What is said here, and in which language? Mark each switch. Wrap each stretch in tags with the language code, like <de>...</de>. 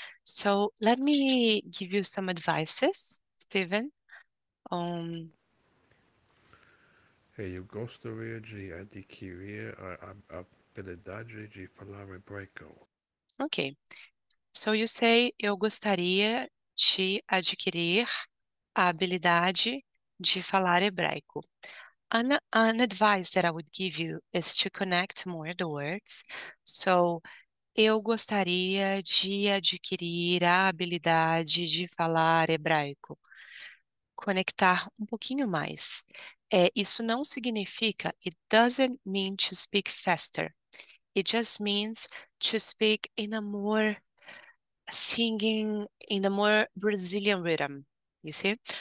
<en>So let me give you some advices, Stephen.</en> <pt>Eu gostaria de adquirir a habilidade de falar hebraico.</pt> <en>Okay, so you say,</en> <pt>eu gostaria de adquirir a habilidade de falar hebraico.</pt> <en>An advice that I would give you is to connect more the words.</en> <pt>So, eu gostaria de adquirir a habilidade de falar hebraico. Conectar um pouquinho mais. Isso não significa,</pt> <en>it doesn't mean to speak faster. It just means to speak in a more singing, in a more Brazilian rhythm, you see?</en>